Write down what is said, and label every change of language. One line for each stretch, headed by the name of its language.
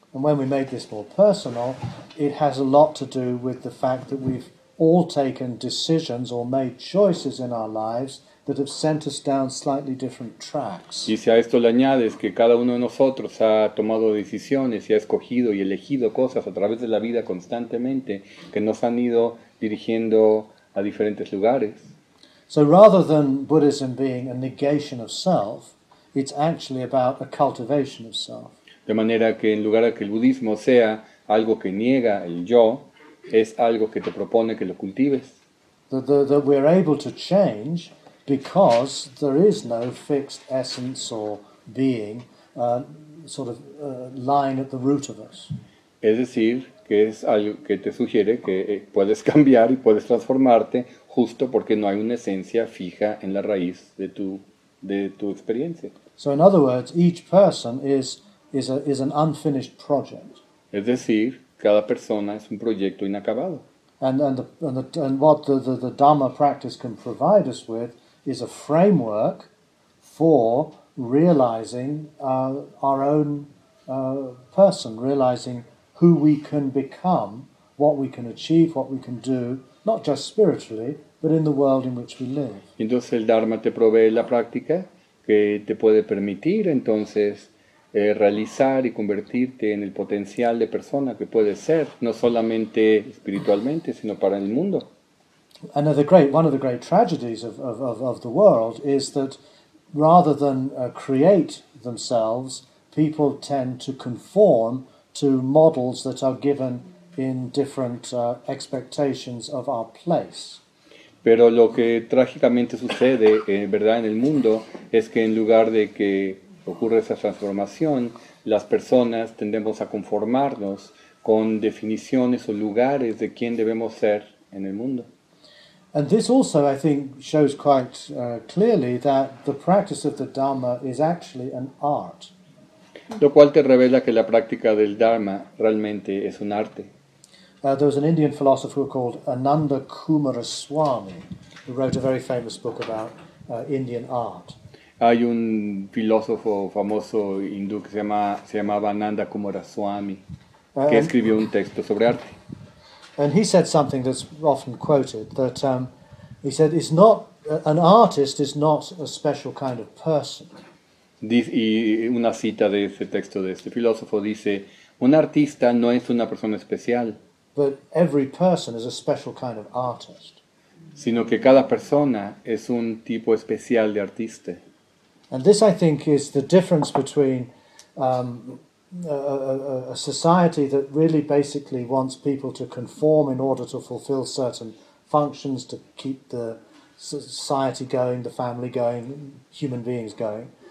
English: And when we make this more personal, it has a lot to do with the fact that we've all taken decisions or made choices in our lives that have sent us down slightly different tracks.
Spanish: Y si a esto le añades que cada uno de nosotros ha tomado decisiones y ha escogido y elegido cosas a través de la vida constantemente que nos han ido dirigiendo a diferentes lugares.
English: So rather than Buddhism being a negation of self, it's actually about a cultivation of self.
Spanish: De manera que en lugar de que el budismo sea algo que niega el yo, es algo que te propone que lo cultives.
English: That we're able to change because there is no fixed essence or being lying at the root of us.
Spanish: Es decir, que es algo que te sugiere que puedes cambiar y puedes transformarte justo porque no hay una esencia fija en la raíz de tu experiencia.
English: So in other words, each person is an unfinished project.
Spanish: Es decir, cada persona es un proyecto inacabado.
English: And what the Dhamma practice can provide us with is a framework for realizing our own person, realizing who we can become, what we can achieve, what we can do, not just spiritually, but in the world in which we live.
Spanish: Entonces el Dharma te provee la práctica que te puede permitir entonces realizar y convertirte en el potencial de persona que puedes ser, no solamente espiritualmente, sino para el mundo.
English: One of the great tragedies of the world is that rather than create themselves, people tend to conform to models that are given in different expectations of our place.
Spanish: Pero lo que trágicamente sucede, verdad, en el mundo, es que en lugar de que ocurre esa transformación, las personas tendemos a conformarnos con definiciones o lugares de quién debemos ser en el mundo.
English: And this also, I think, shows quite clearly that the practice of the Dharma is actually an art.
Spanish: Lo cual te revela que la práctica del Dharma realmente es un arte.
English: There was an Indian philosopher called Ananda Kumaraswamy, who wrote a very famous book about Indian art.
Spanish: Hay un filósofo famoso hindú que se llamaba Ananda Kumaraswamy, que escribió un texto sobre arte.
English: And he said something that's often quoted, that he said, it's not, an artist is not a special kind of person.
Spanish: Y una cita de ese texto de este filósofo dice, un artista no es una persona especial.
English: But every person is a special kind of artist.
Spanish: Sino que cada persona es un tipo especial de artista.
English: And this, I think, is the difference between a society that really basically wants people to conform in order to fulfill certain functions, to keep the society going, the family going, human beings going.